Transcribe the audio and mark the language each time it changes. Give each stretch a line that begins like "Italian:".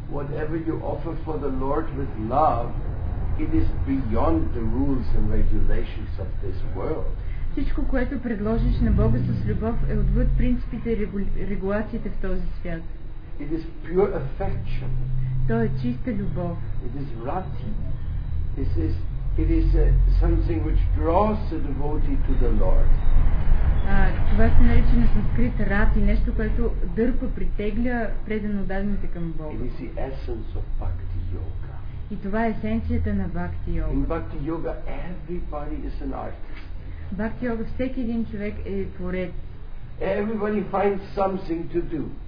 English: Whatever you offer for the Lord with love, it is beyond the rules and regulations of this world.
Bulgarian: Всичко, което предложиш на Бога с любов, е отвъд принципите и регулациите в този свят.
English: It is pure affection.
Bulgarian: То е чиста любов.
English: It is rati. It is something which draws the devotee to the Lord.
Bulgarian: Това се нарича на санскрит рати, нещо, което дърпа, притегля предано дадените към Бога.
English: It is the essence of bhakti yoga.
Bulgarian: И това е есенцията на бхакти йога.
English: In bhakti yoga, everybody is an artist.
Bulgarian: Бхакти йога, всеки един човек е творец.
English: Everybody finds something to do.